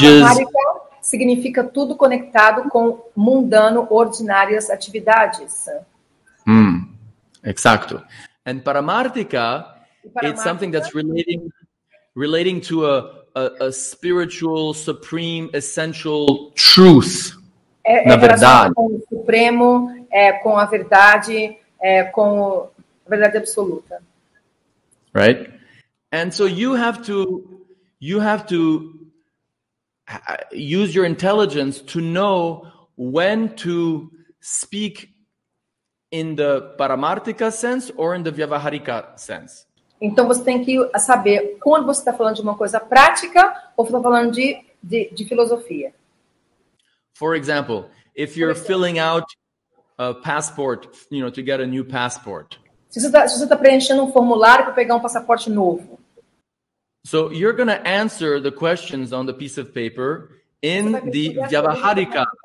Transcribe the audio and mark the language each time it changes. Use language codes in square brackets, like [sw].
[pt] Vyavaharika significa tudo conectado com mundano, ordinárias atividades. Exacto. [en] And Paramartika, it's something that's relating to a spiritual, supreme, essential truth. [pt] Na verdade. Com o supremo, com a verdade, com a verdade absoluta. [en] Right? And so you have to use your intelligence to know when to speak in the Paramartika sense or in the Vyavaharika sense. [pt] Então você tem que saber quando você está falando de uma coisa prática ou está falando de filosofia. [en] For example, if you're filling out a passport, you know, to get a new passport. [pt] Se você tá preenchendo um formulário para pegar um passaporte novo. [en] So you're going to answer the questions on the piece of paper in the Vyavaharika.